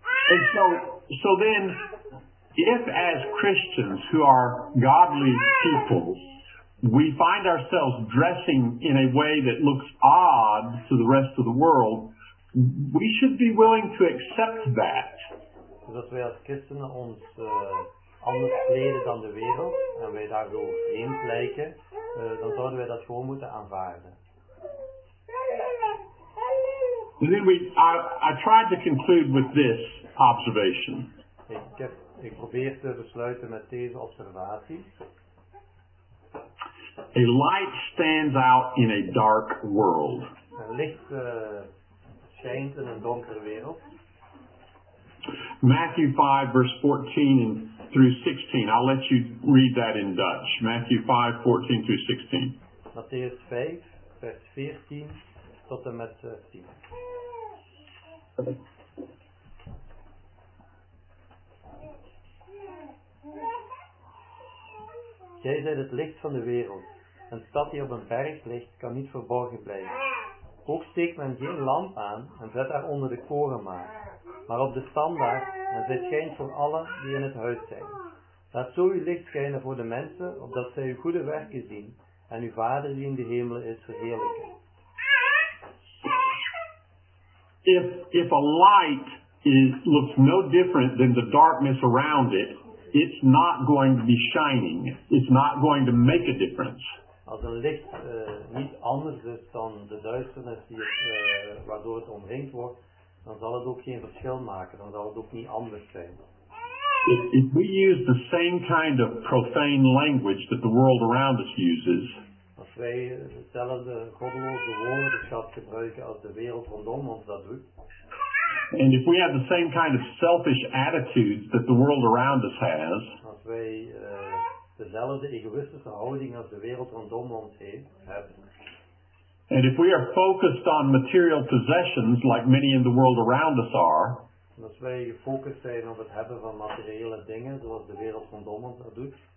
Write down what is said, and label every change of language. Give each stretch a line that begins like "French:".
English: And so then, if as Christians who are godly people, we find ourselves dressing in a way that looks odd to the rest of the world, we should be willing to accept that.
Dutch: Dus als wij als christenen ons anders kleden dan de wereld, en wij daar gewoon vreemd lijken, dan zouden wij dat gewoon moeten aanvaarden.
English: And then I tried to conclude with this observation.
Dutch: Ik probeer te besluiten met deze observatie.
English: A light stands out in a dark world. Een licht schijnt in een donkere wereld. Matthew 5, verse 14 through 16. I'll let you read that in Dutch. Matthew 5, 14 through 16.
Dutch: Matthäus 5, vers 14 tot en met 16. Jij zijt het licht van de wereld. Een stad die op een berg ligt, kan niet verborgen blijven. Ook steekt men geen lamp aan en zet haar onder de korenmaat, maar op de standaard en zij schijnt voor allen die in het huis zijn. Laat zo uw licht schijnen voor de mensen, opdat zij uw goede werken zien en uw Vader die in de hemelen is verheerlijken.
English: If a light is, looks no different than the darkness around it, it's not going to be shining. It's not going to make a difference.
Dutch: Als een licht niet anders is dan de duisternis die het, waardoor het omringd wordt, dan zal het ook geen verschil maken. Dan zal het ook niet anders zijn.
English: If we use the same kind of profane language that the world around us uses,
Dutch: als wij dezelfde goddeloze woordenschat gebruiken als de wereld rondom ons dat doet,
English: and if we have the same kind of selfish attitudes that the world around us has,
Dutch: als wij dezelfde egoïstische houding als de wereld rondom ons hebben,
English: and if we are focused on material possessions like many in the world around us are,
Dutch: als wij gefocust zijn op het hebben van materiële dingen zoals de wereld rondom ons dat doet,